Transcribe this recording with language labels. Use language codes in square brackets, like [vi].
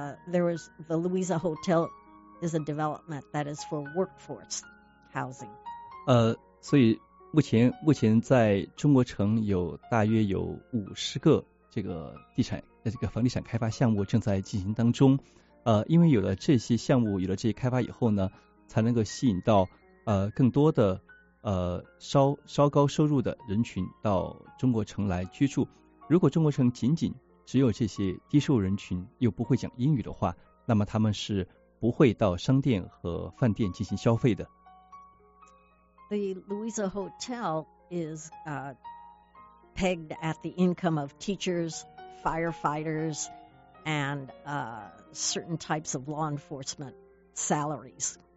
[en] There was the Louisa Hotel is a development that is for workforce housing. [zh] 所以目前在中国城有大约有50个这个地产这个房地产开发项目正在进行当中。因为有了这些项目，有了这些开发以后呢，才能够吸引到更多的稍高收入的人群到中国城来居住。如果中国城仅仅只有这些低收入人群又不会讲英语的话，那么他们是不会到商店和饭店进行消费的。 [en] The Louisa Hotel is pegged at the income of teachers, firefighters, and certain types of law enforcement salaries.